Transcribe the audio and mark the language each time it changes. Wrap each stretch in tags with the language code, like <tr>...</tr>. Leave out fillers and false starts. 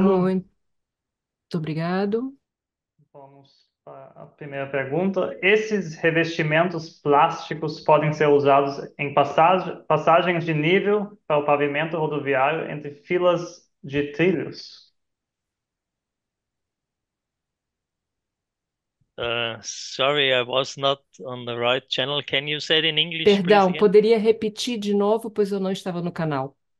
<pt>Muito obrigado. Vamos para a primeira pergunta. Esses revestimentos plásticos podem ser usados em passagens de nível para o pavimento rodoviário entre filas de trilhos?</pt> <en>Sorry, I was not on the right channel. Can you say it in English,</en> <pt>Perdão,</pt> <en>please?</en> <pt>Poderia repetir de novo, pois eu não estava no canal.</pt>